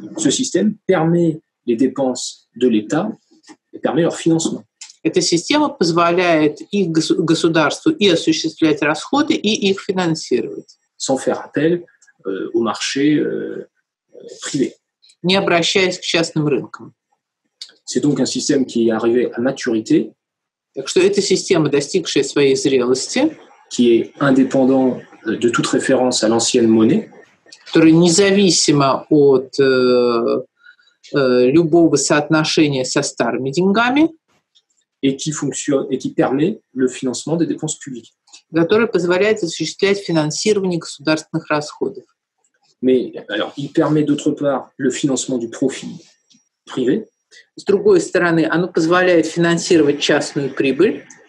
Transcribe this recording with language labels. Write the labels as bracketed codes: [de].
[fr] ce système permet les dépenses de l'État et permet leur financement. [ru] Эта система позволяет и государству и осуществлять расходы и их финансировать. [fr] Sans faire appel au marché privé. [ru] Не обращаясь к частным рынкам. [fr] C'est donc un système qui est arrivé à maturité. [ru] Так что эта система, достигшая своей зрелости, [fr] qui est indépendant de toute référence à l'ancienne monnaie, [ru] которая независима от любого соотношения со старыми деньгами, [fr] et qui fonctionne et qui permet le financement des dépenses publiques, [ru] которая позволяет осуществлять финансирование государственных расходов. [fr] Mais alors, il permet d'autre part le financement du profit privé. [ru] С другой стороны, оно позволяет финансировать частную прибыль.